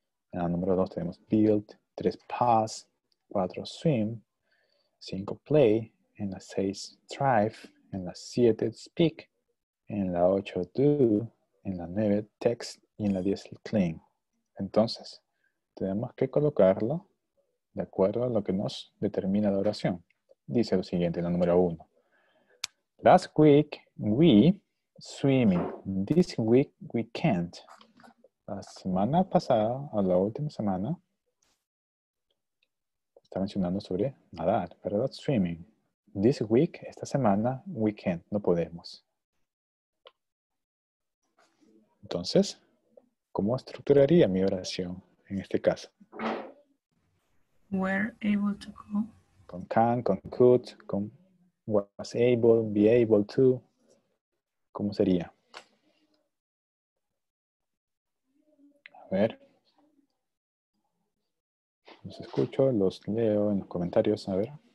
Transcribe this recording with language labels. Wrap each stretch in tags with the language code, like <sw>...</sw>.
<es>En la número 2 tenemos build, 3 pass, 4 swim, 5 play, en la 6 drive, en la 7 speak, en la 8 do, en la 9 text y en la 10 clean. Entonces, tenemos que colocarlo de acuerdo a lo que nos determina la oración. Dice lo siguiente en la número 1.</es> <en>Last week we swimming, this week we can't.</en> <es>La semana pasada, o la última semana, está mencionando sobre nadar, ¿verdad? Swimming.</es> <en>This week,</en> <es>esta semana,</es> <en>we can't,</en> <es>no podemos. Entonces, ¿cómo estructuraría mi oración en este caso?</es> <en>We're able to go.</en> <es>Con can, con could, con was able, be able to. ¿Cómo sería? A ver, los escucho, los leo en los comentarios, a ver.</es>